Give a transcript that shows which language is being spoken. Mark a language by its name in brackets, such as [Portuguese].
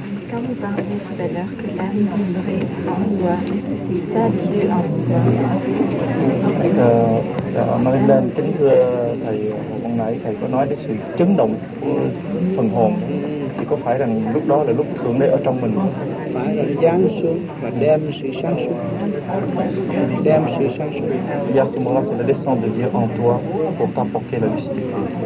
[French] Quand vous parliez tout à l'heure que l'âme vibrait en soi, est-ce que c'est ça Dieu en soi? [Vietnamese] Marie-Hélène, kính thưa thầy, hôm nay thầy có nói đến sự chấn động của phần hồn, thì có phải rằng lúc đó là lúc Thượng Đế ở trong mình không? Phải là giáng xuống và đem sự sáng suốt, đem sự sáng suốt. [French] Và à ce moment-là, c'est la descente de Dieu en toi pour t'apporter la lucidité.